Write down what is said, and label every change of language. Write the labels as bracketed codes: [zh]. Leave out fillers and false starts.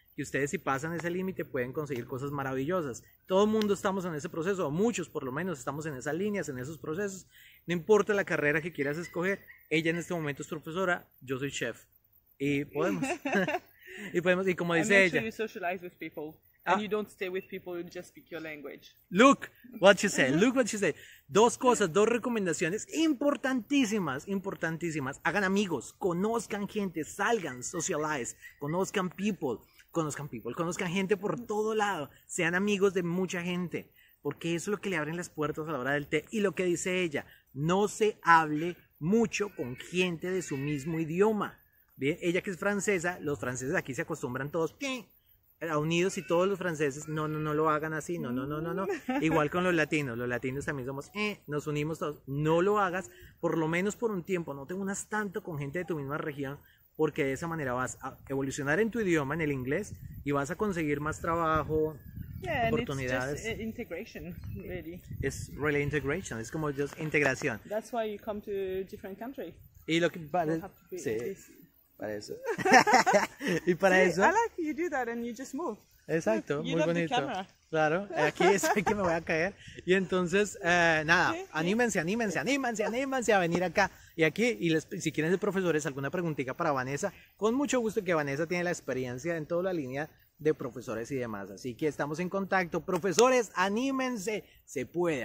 [es] Y ustedes, si pasan ese límite, pueden conseguir cosas maravillosas. Todo el mundo estamos en ese proceso, o muchos por lo menos estamos en esas líneas, en esos procesos. No importa la carrera que quieras escoger, ella en este momento es profesora, yo soy chef. Y podemos. Y podemos, y como dice ella. [en] You socialize with people. And you don't stay with people, you just speak your language. Look what she said, look what she said. [es] Dos cosas, dos recomendaciones importantísimas, importantísimas. Hagan amigos, conozcan gente, salgan, [en] socialize, [es] conozcan [en] people. [es] Conozcan [en] people, [es] conozcan gente por todo lado, sean amigos de mucha gente, porque eso es lo que le abren las puertas a la hora del té. Y lo que dice ella, no se hable mucho con gente de su mismo idioma. Bien, ella que es francesa, los franceses aquí se acostumbran todos a unidos y todos los franceses, no lo hagan así, no. Igual con los latinos también somos, nos unimos todos. No lo hagas, por lo menos por un tiempo, no te unas tanto con gente de tu misma región, porque de esa manera vas a evolucionar en tu idioma, en el inglés, y vas a conseguir más trabajo, [en] yeah, [es] oportunidades. [en] It's just integration, really. It's really integration. [es] Es como [en] just [es] integración. [en] That's why you come to a different country. [es] Y lo que para, sí, para eso. Y para [en] see, [es] eso. [en] I like you do that and you just move. [es] Exacto, [en] you [es] muy bonito. Claro, aquí es que me voy a caer. Y entonces, nada, anímense a venir acá y aquí. Y les, si quieren ser profesores, alguna preguntita para Vanessa, con mucho gusto, que Vanessa tiene la experiencia en toda la línea de profesores y demás. Así que estamos en contacto. Profesores, anímense, se puede.